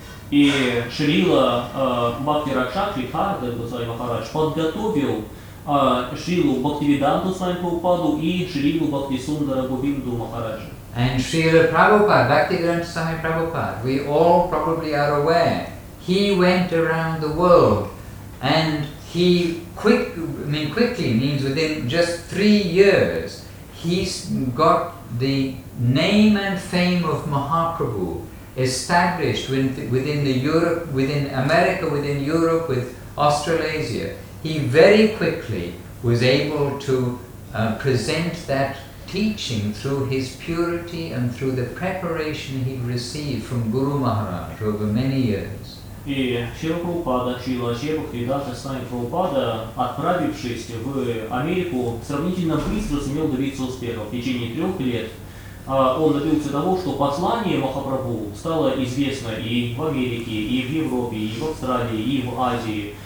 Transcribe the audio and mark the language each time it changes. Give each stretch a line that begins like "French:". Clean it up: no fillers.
Russian: И Шрила Бхактиракшак Шридхара Госвами Махарадж подготовил Шрилу Бхактивиданту Свами Прабхупаду и Шрилу Бхактисундара Говинду Махараджа.
English: And Srila Prabhupada, Bhaktivedanta Swami Prabhupada, we all probably are aware, he went around the world and quickly means within just 3 years, he's got the name and fame of Mahaprabhu established within America, within Europe, with Australasia, he very quickly was able to present that teaching through his purity and through the preparation he received from Guru Maharaj over many years.
Russian: И Шрила Прабхупада, Шрила Шривабхактивиданта Сами Прабхупада, отправившись в Америку, сравнительно быстро сумел добиться успеха. В течение 3 лет он добился того, что послание Махапрабху стало известно и в Америке, и в Европе, и в Австралии, и в Азии.